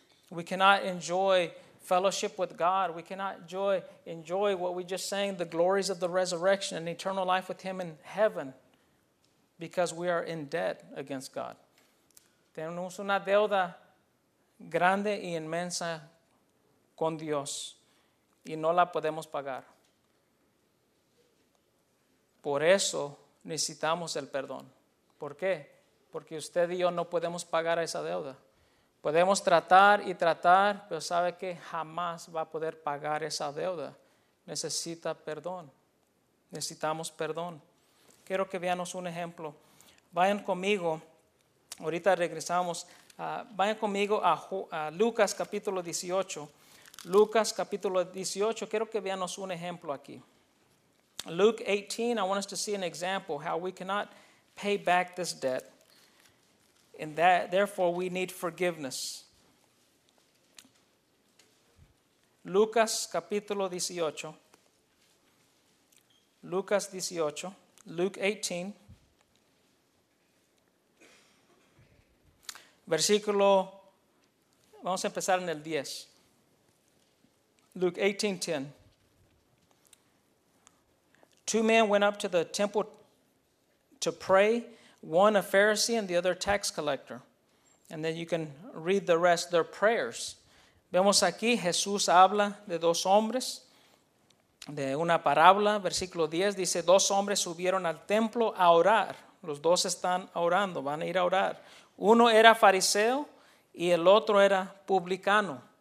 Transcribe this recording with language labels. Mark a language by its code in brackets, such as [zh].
[en] We cannot enjoy fellowship with God, we cannot enjoy what we just sang, the glories of the resurrection and eternal life with Him in heaven, because we are in debt against God. [es] Tenemos una deuda grande y inmensa con Dios y no la podemos pagar. Por eso necesitamos el perdón. ¿Por qué? Porque usted y yo no podemos pagar esa deuda. Podemos tratar y tratar, pero sabe que jamás va a poder pagar esa deuda. Necesita perdón. Necesitamos perdón. Quiero que veamos un ejemplo. Vayan conmigo. Ahorita regresamos. Vayan conmigo a Lucas capítulo 18. Lucas capítulo 18. Quiero que veamos un ejemplo aquí. [en] Luke 18. I want us to see an example how we cannot pay back this debt, and that therefore we need forgiveness. [es] Lucas capítulo 18. Lucas 18. Luke 18. Versículo, vamos a empezar en el 10. [en] Luke 18:10. Two men went up to the temple to pray, one a Pharisee and the other a tax collector. And then you can read the rest, their prayers. [es] Vemos aquí, Jesús habla de dos hombres, de una parábola, versículo 10, dice, dos hombres subieron al templo a orar. Los dos están orando, van a ir a orar. Uno era fariseo y el otro era publicano.